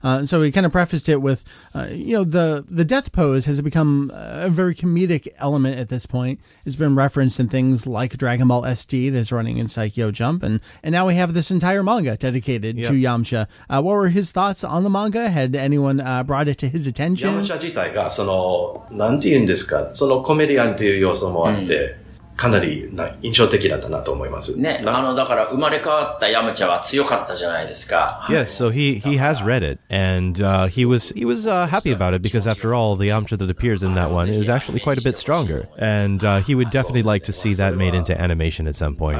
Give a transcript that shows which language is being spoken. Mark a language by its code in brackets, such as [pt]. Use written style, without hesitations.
[en] And so we kind of prefaced it with, you know, the death pose has become a very comedic element at this point. It's been referenced in things like Dragon Ball SD that's running in Psycho Jump. And now we have this entire manga dedicated to Yamcha. What were his thoughts on the manga? Had anyone brought it to his attention? [ja] Yamcha 自体がその、なんて言うんですか、そのコメディアンっていう要素もあって、 [en] Yes, so he has read it, and he was happy about it, because after all, the Yamcha that appears in that one is actually quite a bit stronger, and he would definitely like to see that made into animation at some point.